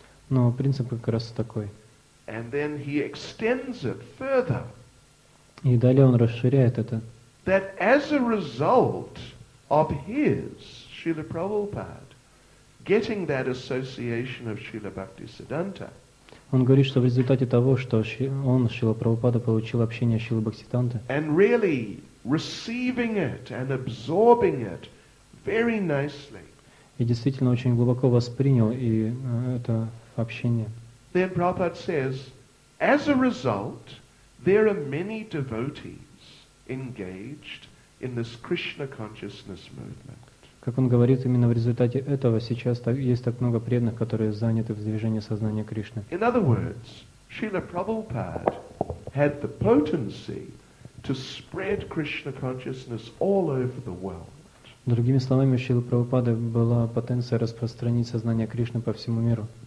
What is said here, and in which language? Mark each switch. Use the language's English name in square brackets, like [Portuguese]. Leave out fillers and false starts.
[Russian] Но принцип как раз такой. [English] And then he extends it further. [Russian] И далее он расширяет это. [English] That as a result of his, Srila Prabhupada, getting that association of Srila Bhaktisiddhanta, [Russian] он говорит, что в результате того, что он, Шрила Прабхупада, получил общение Шрилы Бхактисиддханты, [English] and really receiving it and absorbing it very nicely, [Russian] и действительно очень глубоко воспринял и это общение, [English] then Prabhupada says, as a result, there are many devotees engaged in this Krishna consciousness movement. [Russian] Как он говорит, именно в результате этого сейчас есть так много преданных, которые заняты в движении сознания Кришны. [English] In other words, Srila Prabhupada had the potency to spread Krishna consciousness all over the world. [Russian] Другими словами, у Шрилы Прабхупады была потенция распространить сознание Кришны по всему миру.